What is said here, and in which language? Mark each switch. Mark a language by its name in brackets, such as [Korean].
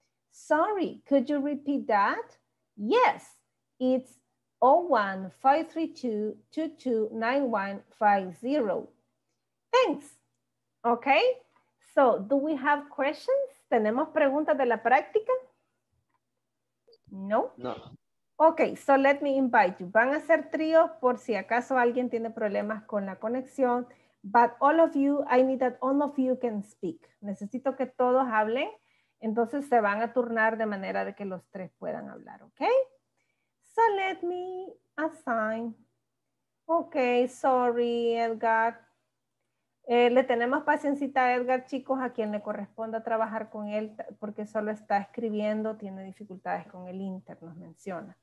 [English] Sorry, could you repeat that? Yes, it's 01532229150. Thanks. Okay, so do we have questions? [Spanish] ¿Tenemos preguntas de la práctica? No. [English] No. Okay, so let me invite you. [Spanish] Van a ser tríos por si acaso alguien tiene problemas con la conexión. [English] But all of you, I need that all of you can speak. [Spanish] Necesito que todos hablen. Entonces se van a turnar de manera de que los tres puedan hablar, okay? [English] So let me assign. Okay, sorry, Edgar. [Spanish] Le tenemos paciencia a Edgar, chicos, a quien le corresponda trabajar con él, porque solo está escribiendo, tiene dificultades con el inter, nos menciona.